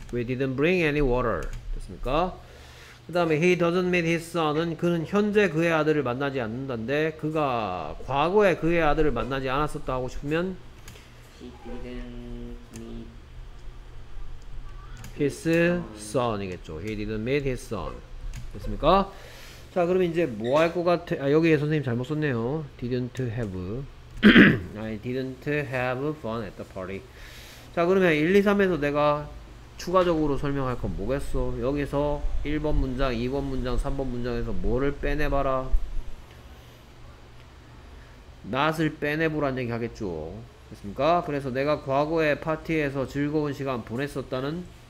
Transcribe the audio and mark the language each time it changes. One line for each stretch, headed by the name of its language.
English: We didn't bring any water.
Korean: 됐습니까? 그 다음에
English: he doesn't meet his son
Korean: 은 그는 현재 그의 아들을 만나지 않는다는데 그가 과거에 그의 아들을 만나지 않았었다 하고 싶으면
English: he didn't meet his son이겠죠. he didn't meet his son.
Korean: 됐습니까? 자 그럼 이제 뭐 할 것 같아. 아 여기에 선생님 잘못 썼네요.
English: didn't have I didn't have fun at the party.
Korean: 자 그러면 1, 2, 3에서 내가 추가적으로 설명할 건 뭐겠어? 여기서 1번 문장, 2번 문장, 3번 문장에서 뭐를 빼내봐라? not을 빼내보란 얘기 하겠죠. 됐습니까? 그래서 내가 과거에 파티에서 즐거운 시간 보냈었다는